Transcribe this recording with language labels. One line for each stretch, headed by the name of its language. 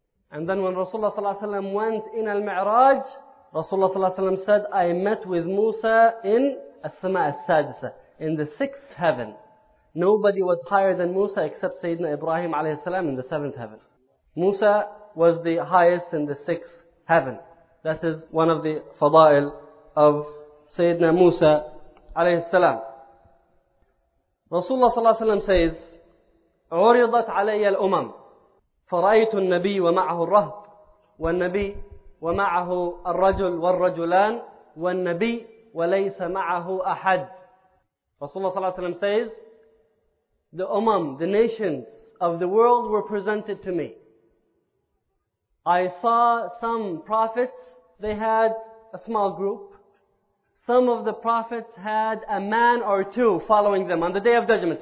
English: And then when Rasulullah sallallahu alaihi wasallam went in al-Mi'raj, Rasulullah sallallahu alaihi wasallam said, I met with Musa in as-sama' as-sadisa, in the sixth heaven. Nobody was higher than Musa except Sayyidina Ibrahim alayhi salam in the seventh heaven. Musa was the highest in the sixth heaven. That is one of the fada'il of Sayyidina Musa عليه السلام.
Arabic: رسول الله صلى الله عليه وسلم says, عرضت علي الأمم فرأيت النبي ومعه الرهب والنبي ومعه الرجل والرجلان والنبي وليس معه أحد.
English: رسول الله صلى الله عليه وسلم says, the umam, the nations of the world were presented to me. I saw some prophets, they had a small group. Some of the prophets had a man or two following them on the Day of Judgment.